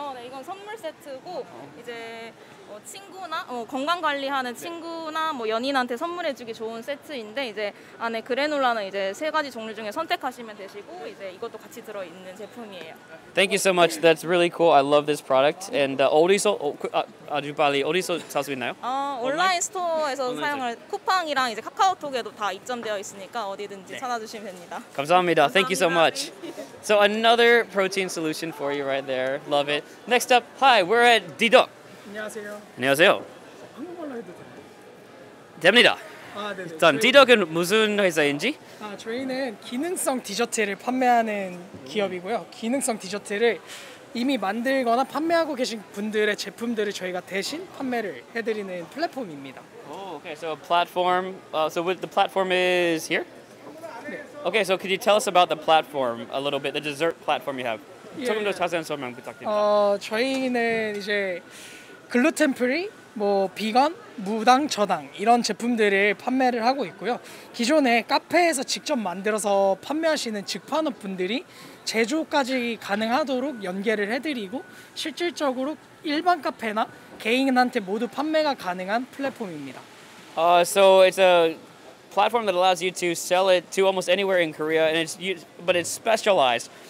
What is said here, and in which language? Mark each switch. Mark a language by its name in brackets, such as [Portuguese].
[Korean] 네, 이건 선물 세트고 이제 친구나 건강 관리하는 친구나 뭐 연인한테 선물해주기 좋은 세트인데 이제 안에 그래놀라는 이제 세 가지 종류 중에 선택하시면 되시고 이제 이것도 같이 들어 있는 제품이에요. [English] Thank you so much. That's really cool. I love this product. [Korean] And 어디서 아주 빨리 어디서 살 수 있나요? 온라인 스토어에서 사용을 쿠팡이랑 이제 카카오톡에도 다 입점되어 있으니까 어디든지 네. 찾아주시면 됩니다. 감사합니다. [English] Thank you so much. So another protein solution for you right there. Love it. Next up, hi. We're at Didok. [Korean] 안녕하세요. 안녕하세요. 한국말로 해도 됩니다. 일단 디덕은 무슨 회사인지? 저희는 기능성 디저트를 판매하는 기업이고요. 기능성 디저트를 이미 만들거나 판매하고 계신 분들의 제품들을 저희가 대신 판매를 해드리는 플랫폼입니다. [English] Okay, so platform. So the platform is here? [Korean] 네. [English] Okay, so could you tell us about the platform a little bit, the dessert platform you have? [Korean] 조금 더 자세한 설명 부탁드립니다. 저희는 이제 글루텐 프리 뭐 비건, 무당, 저당 이런 제품들을 판매를 하고 있고요. 기존에 카페에서 직접 만들어서 판매하시는 직판업분들이 제조까지 가능하도록 연계를 해드리고 실질적으로 일반 카페나 개인한테 모두 판매가 가능한 플랫폼입니다. [English] So it's a platform that allows you to sell it to almost anywhere in Korea, and it's but it's specialized.